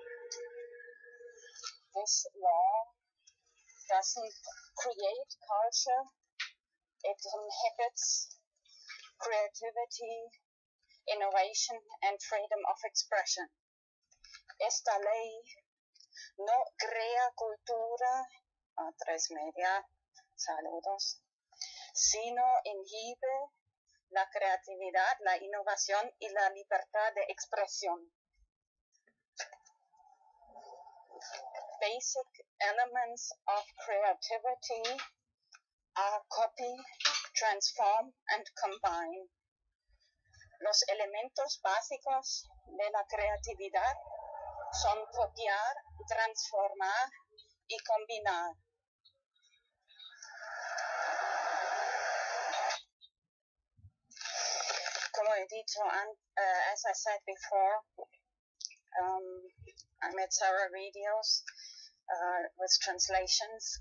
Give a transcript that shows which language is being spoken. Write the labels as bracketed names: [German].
[English] This law doesn't create culture, it inhibits creativity, innovation, and freedom of expression. [Spanish] Esta ley no crea cultura, a tres media, saludos, sino inhibe la creatividad, la innovación y la libertad de expresión. [English] Basic elements of creativity are copy, transform, and combine. [Spanish] Los elementos básicos de la creatividad son copiar, transformar y combinar. Como he dicho, [English] as I said before, I made several videos with translations.